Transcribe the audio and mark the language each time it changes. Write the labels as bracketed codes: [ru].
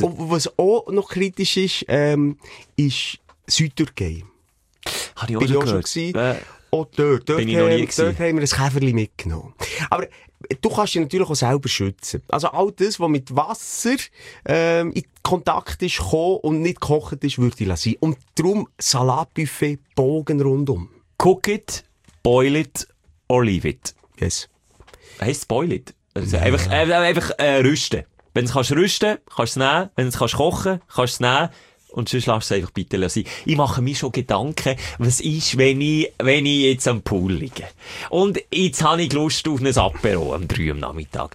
[de] Und was auch noch kritisch ist, ist Südtürkei. Habe ich auch schon gehört. Bin ich auch schon gewesen. Auch dort. Bin ich noch nie gewesen. Dort haben wir ein Käferli mitgenommen. Aber du kannst dich natürlich auch selber schützen. Also all das, was mit Wasser in Kontakt ist, gekommen und nicht gekocht ist, würde ich sein. Und darum Salatbuffet, Bogen rundum. [en] Cook it, boil it or leave it. Yes. [de] Heisst [en] boil it? [de] Also ja. Einfach rüsten. Wenn du es rüsten kannst, kannst du es nehmen. Wenn du es kochen kannst, kannst du es nehmen. Und sonst lass es einfach bitte sein. Ich mache mir schon Gedanken, was ist, wenn ich jetzt am Pool liege. Und jetzt habe ich Lust auf ein Apéro am 3 am Nachmittag.